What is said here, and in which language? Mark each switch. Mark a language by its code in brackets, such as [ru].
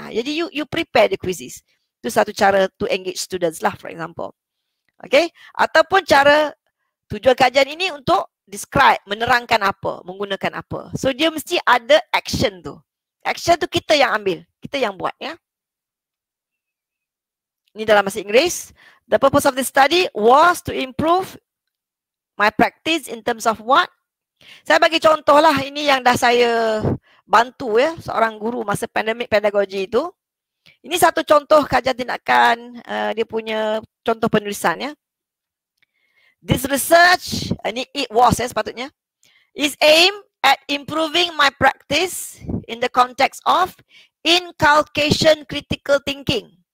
[en] Jadi you prepare the quizzes. [ms] Itu satu cara [en] to engage students lah, for example. Okay? [ms] Ataupun cara tujuan kajian ini untuk describe, menerangkan apa, menggunakan apa. So dia mesti ada action tu. Action tu kita yang ambil, kita yang buat ya. Ini dalam bahasa Inggeris. [en] The purpose of this study was to improve my practice in terms of what? [ms] Saya bagi contoh lah, ini yang dah saya bantu ya, seorang guru masa pandemic pedagogy itu. Ini satu contoh kajian tindakan, dia punya contoh penulisan ya. [en] This research, sepatutnya, is aimed at improving my practice in the context of inculcation critical thinking.